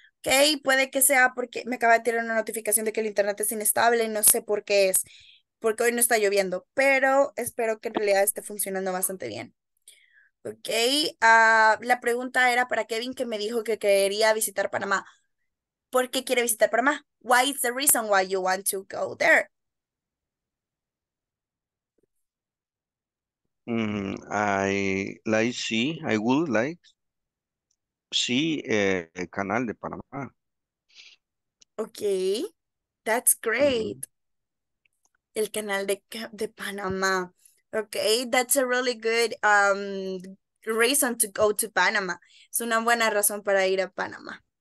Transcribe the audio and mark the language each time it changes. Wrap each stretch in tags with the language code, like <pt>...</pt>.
<es>Okay, puede que sea porque me acaba de tirar una notificación de que el internet es inestable, no sé por qué es, porque hoy no está lloviendo, pero espero que en realidad esté funcionando bastante bien. Okay, la pregunta era para Kevin, que me dijo que quería visitar Panamá. ¿Por qué quiere visitar Panamá?</es> <en>Why is the reason why you want to go there? I like see, I would like see a canal de Panamá. Okay, that's great. El canal de Panamá. Okay, that's a really good reason to go to Panama.</en> <es>Es una buena razón para ir a Panamá.</es>